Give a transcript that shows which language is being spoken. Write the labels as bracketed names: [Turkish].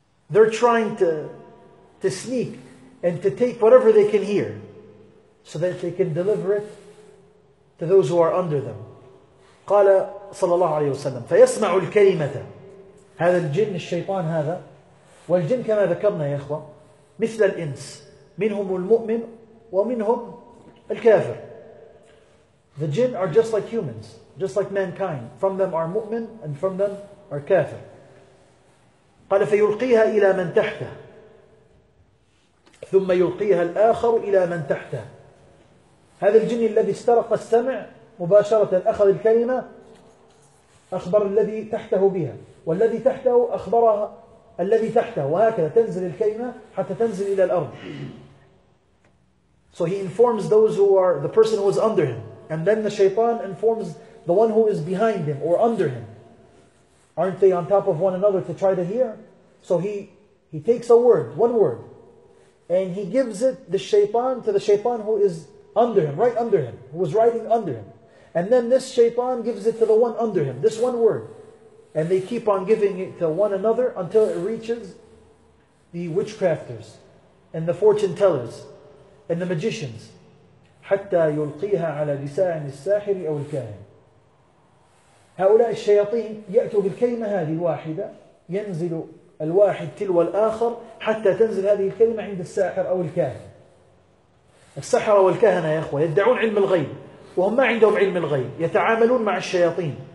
[English] They're trying to sneak and to take whatever they can hear so that they can deliver it to those who are under them. [Arabic] قال صلى الله عليه وسلم فيسمع الكلمة, هذا الجن الشيطان هذا, والجن كما ذكرنا يا إخوة مثل الإنس, منهم المؤمن ومنهم الكافر. [English] The jinn are just like humans, just like mankind. From them are mu'min and from them are kafir. [Arabic] قال فيلقيها إلى من تحته ثم يلقيها الآخر إلى من تحته. هذا الجن الذي استرق السمع مباشرة أخذ الكلمة أخبر الذي تحته بها, والذي تحته أخبر الذي تحته, وهكذا تنزل الكلمة حتى تنزل إلى الأرض. [English] So he informs those who are the person who is under him, and then the shaytan informs the one who is behind him or under him. Aren't they on top of one another to try to hear? So he He takes a word, one word, and he gives it the shaytan to the shaytan who is under him, right under him, who was writing under him. And then this shaytan gives it to the one under him, this one word. And they keep on giving it to one another until it reaches the witchcrafters and the fortune tellers and the magicians. [Arabic] حَتَّى يُلْقِيهَا عَلَى لِسَاعِنِ السَّاحِرِ أَوْ الْكَاهِنِ. هؤلاء الشياطين يأتوا بالكلمة هذه واحدة, ينزل الواحد تلو الآخر حتى تنزل هذه الكلمة عند الساحر أو الكاهن. السحرة والكهنة يا أخوة يدعون علم الغيب وهم ما عندهم علم الغيب, يتعاملون مع الشياطين.